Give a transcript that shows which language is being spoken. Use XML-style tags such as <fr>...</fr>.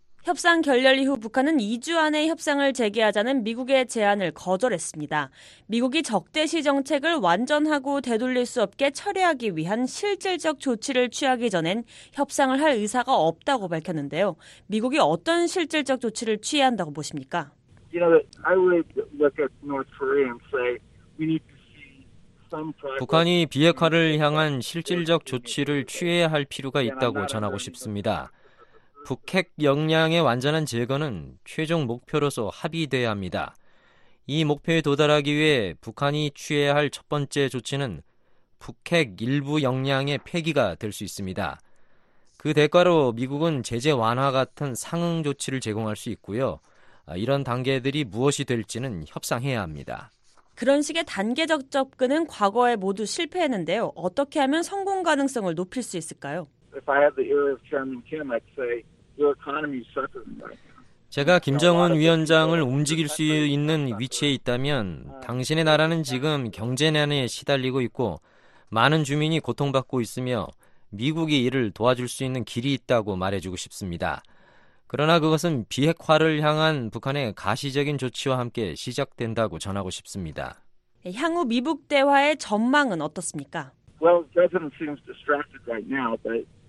<ko>협상 결렬 이후 북한은 2주 안에 협상을 재개하자는 미국의 제안을 거절했습니다. 미국이 적대시 정책을 완전하고 되돌릴 수 없게 철회하기 위한 실질적 조치를 취하기 전엔 협상을 할 의사가 없다고 밝혔는데요. 미국이 어떤 실질적 조치를 취해야 한다고 보십니까?</ko> <en>You know, I would look at North Korea and say we need to see some progress.</en> <ko>북한이 비핵화를 향한 실질적 조치를 취해야 할 필요가 있다고 전하고 싶습니다. 북핵 역량의 완전한 제거는 최종 목표로서 합의돼야 합니다. 이 목표에 도달하기 위해 북한이 취해야 할 첫 번째 조치는 북핵 일부 역량의 폐기가 될 수 있습니다. 그 대가로 미국은 제재 완화 같은 상응 조치를 제공할 수 있고요. 이런 단계들이 무엇이 될지는 협상해야 합니다. 그런 식의 단계적 접근은 과거에 모두 실패했는데요. 어떻게 하면 성공 가능성을 높일 수 있을까요?</ko> <en>If I had the ear of Chairman Kim, I'd say your economy is suffering.</en> <ko>제가 김정은 위원장을 움직일 수 있는 위치에 있다면 당신의 나라는 지금 경제난에 시달리고 있고 많은 주민이 고통받고 있으며 미국이 이를 도와줄 수 있는 길이 있다고 말해주고 싶습니다. 그러나 그것은 비핵화를 향한 북한의 가시적인 조치와 함께 시작된다고 전하고 싶습니다. 향후 미북 대화의 전망은 어떻습니까?</ko> <en>Well, the president seems distracted right now, but</en>